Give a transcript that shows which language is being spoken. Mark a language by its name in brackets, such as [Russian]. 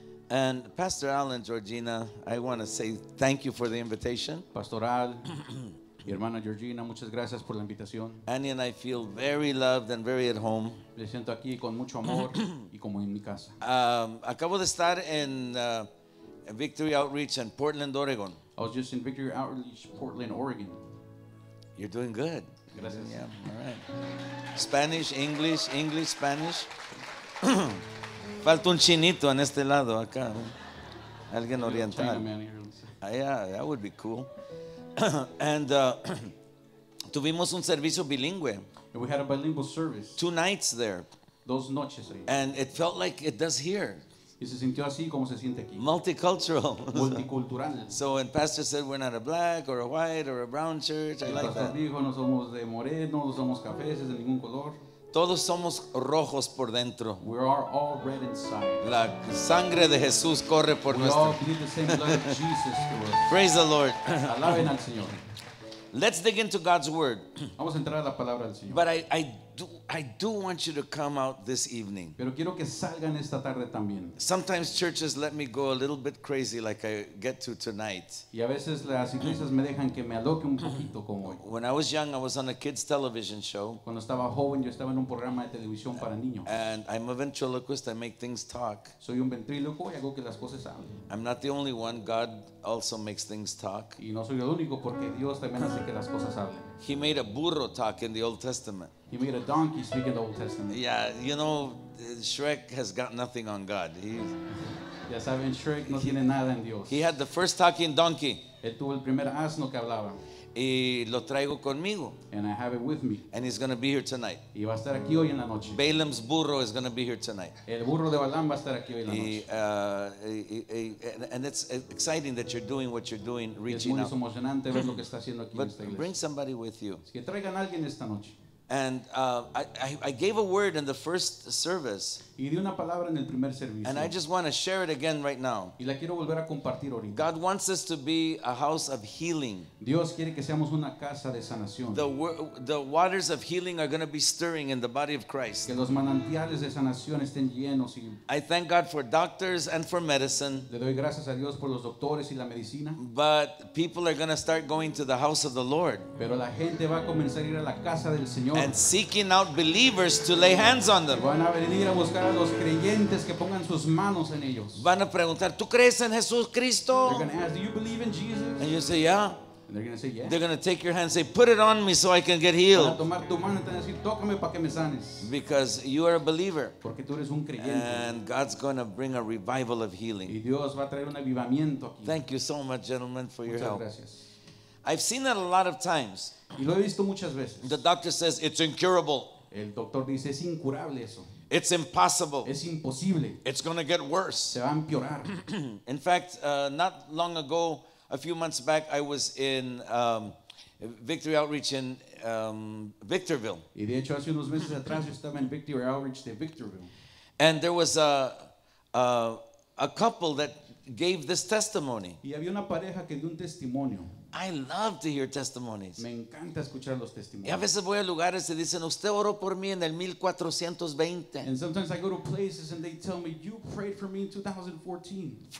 [English] And Pastor Alan, Georgina, I want to say thank you for the invitation. [Spanish] Pastor Al, y hermana Georgina, muchas gracias por la invitación. [English] Annie and I feel very loved and very at home. [Spanish] Me siento aquí con mucho amor y como en mi casa. Acabo de estar en Victory Outreach in Portland, Oregon. [English] I was just in Victory Outreach, Portland, Oregon. You're doing good. [Spanish] Gracias. [English] Yeah, all right. Spanish, English, English, Spanish. [Spanish] Falta un chinito en este lado acá. Alguien oriental. [English] Yeah, that would be cool. And [Spanish] tuvimos un servicio bilingüe. [English] And we had a bilingual service. Two nights there. [Spanish] Dos noches ahí. [English] And it felt like it does here. [Spanish] Y se sintió así como se siente aquí. [English] Multicultural. [Spanish] Multicultural. [English] So when pastor said we're not a black or a white or a brown church, I like that. [Spanish] Dijo, no somos de moreno, no somos cafés, es de ningún color. Todos somos rojos por dentro. [English] We are all red inside. [Spanish] La sangre de Jesús corre por nuestro. [English] We all bleed the same blood of Jesus to us. Praise the Lord. [Spanish] Alaben al Señor. [English] Let's dig into God's word. [Spanish] Vamos a entrar a la palabra del Señor. [English] But I do want you to come out this evening. [Spanish] Pero quiero que salgan esta tarde también. [English] Sometimes churches let me go a little bit crazy like I get to tonight. [Spanish] Y a veces las iglesias me dejan que me aloque un poquito como hoy. [English] When I was young, I was on a kids television show. [Spanish] Cuando estaba joven, yo estaba en un programa de televisión para niños. [English] And I'm a ventriloquist, I make things talk. [Spanish] Soy un ventríloco y hago que las cosas hablen. [English] I'm not the only one, God also makes things talk. [Spanish] Y no soy el único porque Dios también hace que las cosas hablen. [English] He made a burro talk in the Old Testament. He made a donkey speak in the Old Testament. Yeah, you know, Shrek has got nothing on God. [Spanish] Ya saben, Shrek no tiene nada en Dios. [English] He had the first talking donkey. [Spanish] Él tuvo el primer asno que hablaba. Y lo traigo conmigo. [English] And I have it with me. And he's going to be here tonight. [Spanish] Y va a estar aquí hoy en la noche. [English] Balaam's burro is going to be here tonight. [Spanish] El burro de Balaam va a estar aquí hoy en la noche. [English] And it's exciting that you're doing what you're doing, reaching out. [Spanish] Es muy emocionante ver lo que está haciendo aquí en esta iglesia. [English] But bring somebody with you. [Spanish] Que traigan alguien esta noche. [English] And I gave a word in the first service. [Spanish] Y di una palabra en el primer servicio. [English] And I just want to share it again right now. [Spanish] Y la quiero volver a compartir ahorita. [English] God wants us to be a house of healing. [Spanish] Dios quiere que seamos una casa de sanación. [English] The waters of healing are going to be stirring in the body of Christ. [Spanish] Que los manantiales de sanación estén llenos. [English] I thank God for doctors and for medicine. [Spanish] Le doy gracias a Dios por los doctores y la medicina. [English] But people are going to start going to the house of the Lord. [Spanish] Pero la gente va a comenzar a ir a la casa del Señor. [English] And seeking out believers to lay hands on them. [Spanish] Van a venir a buscar a los creyentes que pongan sus manos en ellos. Van a preguntar, ¿tú crees en Jesucristo? [English] They're going to ask, do you believe in Jesus? And you say, yeah. And they're going to say, yeah. They're going to take your hand and say, put it on me so I can get healed. [Spanish] Van a tomar tu mano y te van a decir, tócame para que me sanes. [English] Because you are a believer. [Spanish] Porque tú eres un creyente. [English] And God's going to bring a revival of healing. [Spanish] Y Dios va a traer un avivamiento aquí. [English] Thank you so much, gentlemen, for your help. [Spanish] Muchas gracias. [English] I've seen that a lot of times. [Spanish] Y lo he visto muchas veces. [English] The doctor says it's incurable. [Spanish] El doctor dice, es incurable eso. [English] It's impossible. [Spanish] Es imposible. [English] It's going to get worse. [Spanish] Se va a empeorar. [English] In fact, not long ago, a few months back, I was in Victory Outreach in Victorville. [Spanish] Y de hecho, hace unos meses atrás, yo estaba en Victory Outreach de Victorville. [English] And there was a couple that gave this testimony. [Spanish] Y había una pareja que dio un testimonio. [English] I love to hear testimonies. [Spanish] Me encanta escuchar los testimonios. Y a veces voy a lugares y dicen, usted oró por mí en el 1420. [English] And sometimes I go to places and they tell me, you prayed for me in